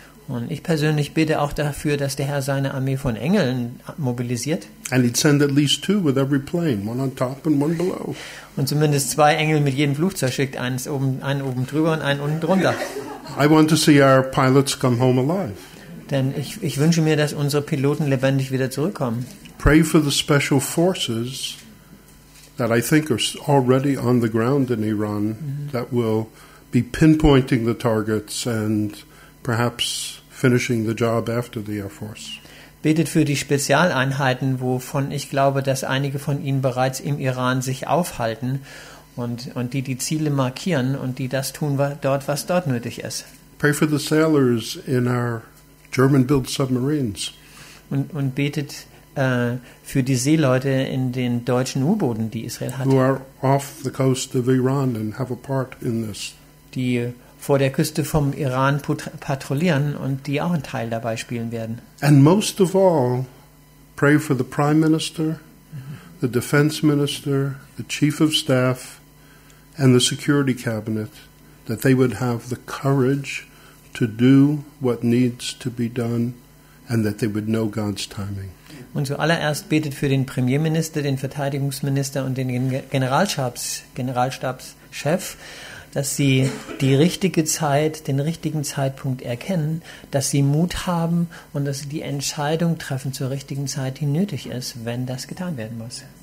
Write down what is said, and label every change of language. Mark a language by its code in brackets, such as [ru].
[de] Und ich persönlich bete auch dafür, dass der Herr seine Armee von Engeln mobilisiert. [en] And he'd send at least two with every plane, one on top and one below. [de] Und zumindest zwei Engel mit jedem Flugzeug schickt, einen oben drüber und einen unten drunter. [en] I want to see our pilots come home alive. [de] Denn ich wünsche mir, dass unsere Piloten lebendig wieder zurückkommen. [en] Pray for the special forces that I think are already on the ground in Iran that will be pinpointing the targets and perhaps finishing the job after the Air Force. [de] Betet für die Spezialeinheiten, wovon ich glaube, dass einige von ihnen bereits im Iran sich aufhalten und die Ziele markieren und die das tun, was dort nötig ist. [en] Pray for the sailors in our German-built submarines. [de] Und betet für die Seeleute in den deutschen U-Booten, die Israel hat. [en] Who are off the coast of Iran and have a part in this. [de] Die vor der Küste vom Iran patrouillieren und die auch einen Teil dabei spielen werden. [en] And most of all, pray for the Prime Minister, the defense minister, the chief of staff, and the security cabinet, that they would have the courage to do what needs to be done and that they would know God's timing. [de] Und zuallererst betet für den Premierminister, den Verteidigungsminister und den Generalstabschef, dass sie die richtige Zeit, den richtigen Zeitpunkt erkennen, dass sie Mut haben und dass sie die Entscheidung treffen zur richtigen Zeit, die nötig ist, wenn das getan werden muss.